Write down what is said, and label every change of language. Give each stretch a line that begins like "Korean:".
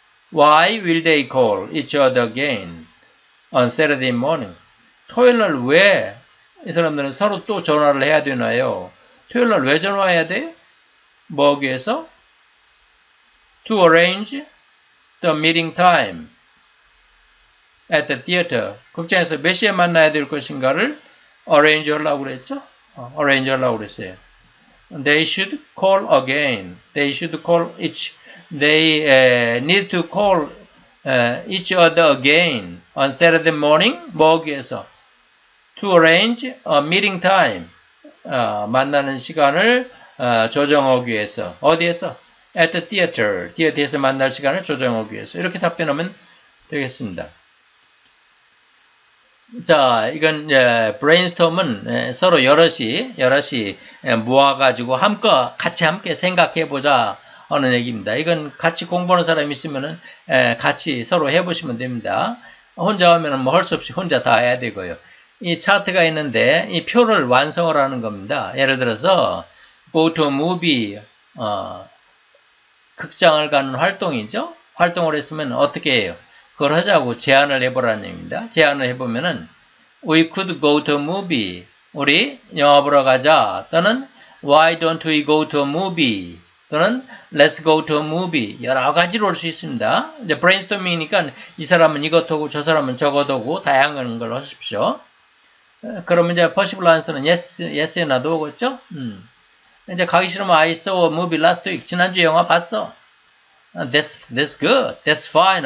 English: Why will they call each other again on Saturday morning?
Korean: 토요일날 왜 이 사람들은 서로 또 전화를 해야 되나요? 토요일날 왜 전화해야 돼요? 뭐기 위해서?
English: To arrange the meeting time at the theater.
Korean: 극장에서 몇 시에 만나야 될 것인가를 arrange 하려고 그랬죠? Arrange 하려고 그랬어요.
English: They should call again. They should call each. They need to call each other again on Saturday morning.
Korean: 거기에서
English: To arrange a meeting time.
Korean: 만나는 시간을 조정하기 위해서. 어디에서?
English: At the theater,
Korean: 디어티에서 만날 시간을 조정하기 위해서 이렇게 답변하면 되겠습니다. 자, 이건 이제 브레인스톰은 서로 여럿이 모아가지고 함께 생각해보자 하는 얘기입니다. 이건 같이 공부하는 사람이 있으면은 같이 서로 해보시면 됩니다. 혼자 하면은 뭐 할 수 없이 혼자 다 해야 되고요. 이 차트가 있는데 이 표를 완성을 하는 겁니다. 예를 들어서
English: go to a movie
Korean: 극장을 가는 활동이죠. 활동을 했으면 어떻게 해요? 그걸 하자고 제안을 해보라는 얘기입니다. 제안을 해보면은
English: We could go to a movie.
Korean: 우리 영화 보러 가자. 또는
English: Why don't we go to a movie? 또는 Let's go to a movie.
Korean: 여러 가지로 올 수 있습니다. 이제 브레인스토밍이니까 이 사람은 이것하고 저 사람은 저것하고 다양한 걸 하십시오. 그럼 이제 possible answer는 yes에 놔두었죠. 이제 가기 싫으면
English: I saw a movie last week.
Korean: 지난주 영화 봤어.
English: That's good. That's fine.